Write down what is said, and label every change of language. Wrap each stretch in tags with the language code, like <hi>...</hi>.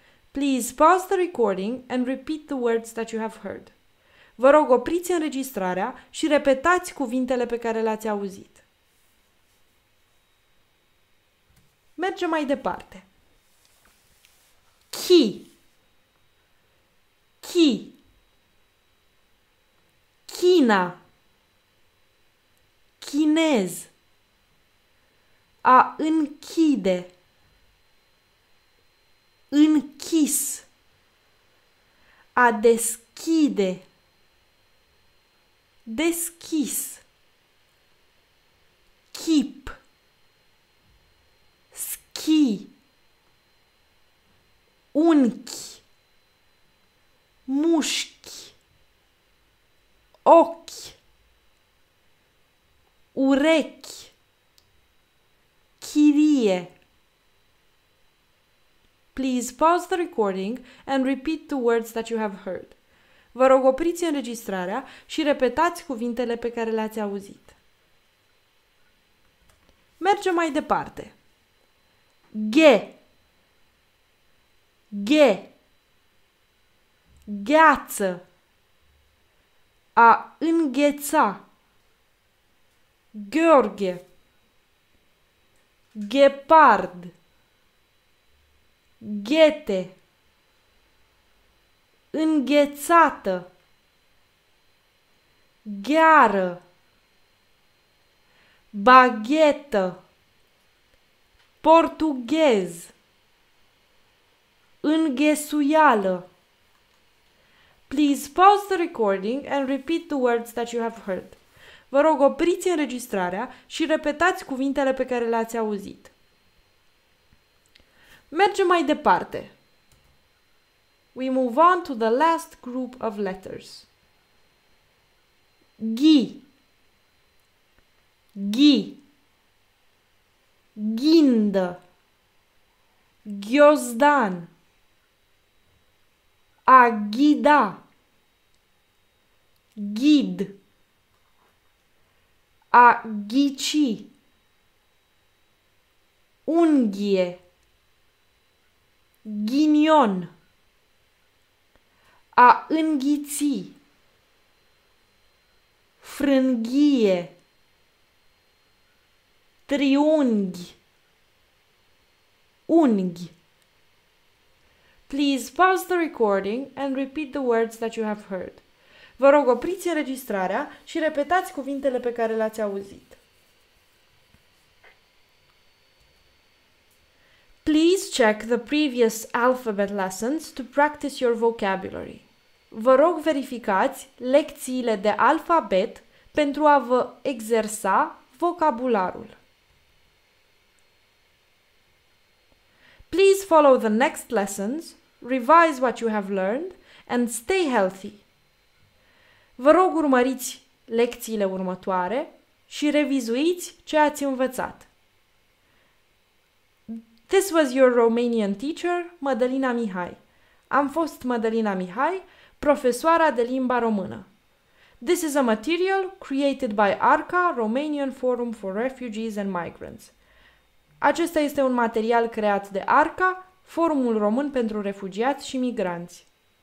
<en>Please pause the recording and repeat the words that you have heard.</en> <ro>Vă rog, opriți înregistrarea și repetați cuvintele pe care le-ați auzit. Mergem mai departe. Chi. Chi. China. Chinez. A închide. Închis. A deschide. Deschis. Chip. Schi. Unchi. Mușchi. Ochi. Urechi. Chirie.</ro> <en>Please pause the recording and repeat the words that you have heard.</en> <ro>Vă rog, opriți înregistrarea și repetați cuvintele pe care le-ați auzit. Mergem mai departe. Ghe. Ghe. Gheață. A îngheța. Gheorghe. Ghepard. Ghete. Înghețată. Gheară. Baghetă. Portughez. Înghesuială.</ro> <en>Please pause the recording and repeat the words that you have heard.</en> <ro>Vă rog, opriți înregistrarea și repetați cuvintele pe care le-ați auzit. Mergem mai departe.</ro> <en>We move on to the last group of letters.</en> <ro>Ghi. Ghi. Ghindă. Ghiozdan. A ghida. Ghid. A ghici. Unghie. Ghinion. A înghiți. Frânghie. Triunghi. Unghi.</ro> <en>Please pause the recording and repeat the words that you have heard.</en> <ro>Vă rog, opriți înregistrarea și repetați cuvintele pe care le-ați auzit.</ro> <en>Please check the previous alphabet lessons to practice your vocabulary.</en> <ro>Vă rog, verificați lecțiile de alfabet pentru a vă exersa vocabularul.</ro> <en>Please follow the next lessons, revise what you have learned, and stay healthy.</en> <ro>Vă rog, urmăriți lecțiile următoare și revizuiți ce ați învățat.</ro> <en>This was your Romanian teacher,</en> <ro>Mădălina Mihai. Am fost Mădălina Mihai, profesoara de limba română.</ro> <en>This is a material created by ARCA, Romanian Forum for Refugees and Migrants.</en> <ro>Acesta este un material creat de ARCA, Forumul Român pentru Refugiați și Migranți.</ro>